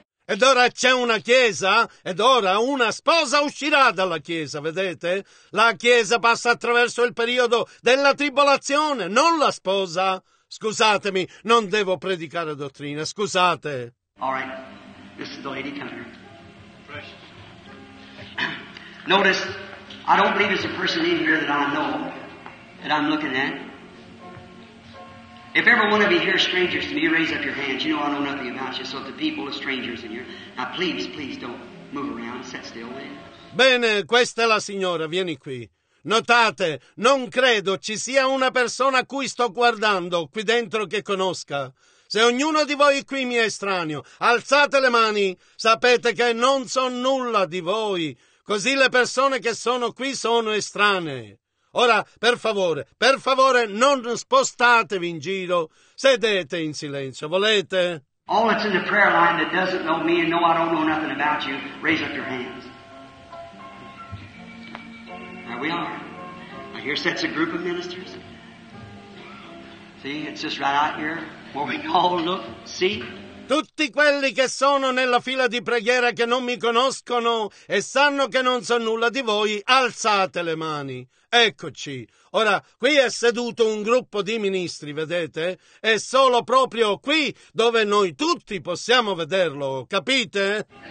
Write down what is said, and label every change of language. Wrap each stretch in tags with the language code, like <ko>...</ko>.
<it>Ed ora c'è una chiesa, ed ora una sposa uscirà dalla chiesa, vedete? La chiesa passa attraverso il periodo della tribolazione, non la sposa. Scusatemi, non devo predicare dottrina, scusate.</it> <en>All right, this is the lady coming here. Precious. Notice, I don't believe there's a person in here that I know, that I'm looking at. If every one of you here are strangers to me, you raise up your hands. You know I know nothing about you. So if the people are strangers in here, now please, please don't move around. Sit still there.</en> <it>Bene, questa è la signora. Vieni qui. Notate, non credo ci sia una persona a cui sto guardando qui dentro che conosca. Se ognuno di voi qui mi è estraneo, alzate le mani. Sapete che non so nulla di voi. Così le persone che sono qui sono estranee. Ora, per favore, non spostatevi in giro. Sedete in silenzio, volete?</it> <en>All that's in the prayer line that doesn't know me and know I don't know nothing about you, raise up your hands. There we are. Now here sits a group of ministers. See, it's just right out here where we all look, see?</en> <it>Tutti quelli che sono nella fila di preghiera che non mi conoscono e sanno che non so nulla di voi, alzate le mani. Eccoci. Ora, qui è seduto un gruppo di ministri, vedete? È solo proprio qui dove noi tutti possiamo vederlo, capite?</it>